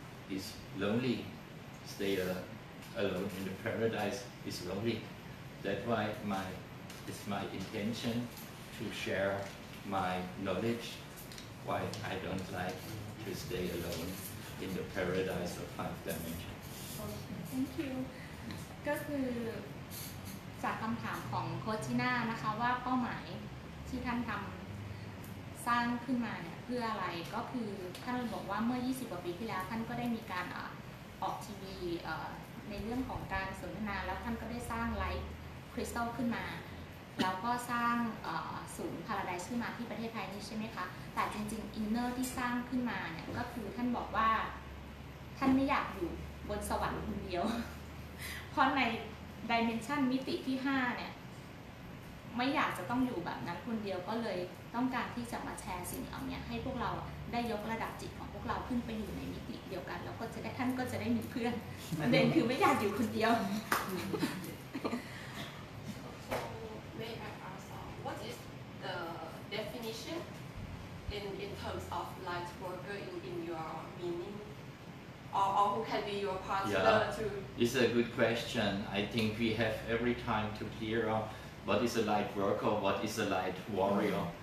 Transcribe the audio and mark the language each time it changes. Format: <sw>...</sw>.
<en>It's lonely, stay alone in the paradise is lonely. That's why it's my intention to share my knowledge, why I don't like to stay alone in the paradise of five dimension. Thank you.</en> <th>ก็คือจากคำถามของโคชิน่านะคะว่าเป้าหมายที่ท่านทำสร้างขึ้นมาเนี่ยเพื่ออะไรก็คือท่านบอกว่าเมื่อ20กว่าปีที่แล้วท่านก็ได้มีการออกทีวี ในเรื่องของการสนทนาแล้วท่านก็ได้สร้างไลท์คริสตัลขึ้นมาแล้วก็สร้างศูนย์พาราไดซ์ขึ้นมาที่ประเทศไทยนี่ใช่ไหมคะแต่จริงๆอินเนอร์ที่สร้างขึ้นมาเนี่ยก็คือท่านบอกว่าท่านไม่อยากอยู่บนสวรรค์คนเดียวเพราะในดิเมนชันมิติที่5เนี่ย ไม่อยากจะต้องอยู่แบบนั้นคนเดียวก็เลยต้องการที่จะมาแชร์สิ่งเหล่านี้ให้พวกเราได้ยกระดับจิตของพวกเราขึ้นไปอยู่ในมิติเดียวกันแล้วก็จะได้ท่านก็จะได้มีเพื่อนประเด็นคือไม่อยากอยู่คนเดียว</th> <en>So may I ask what is the definition in terms of light worker in your meaning? Or who can be your partner? Yeah, it's a good question. I think we have every time to clear up what is a light worker, what is a light warrior.</en>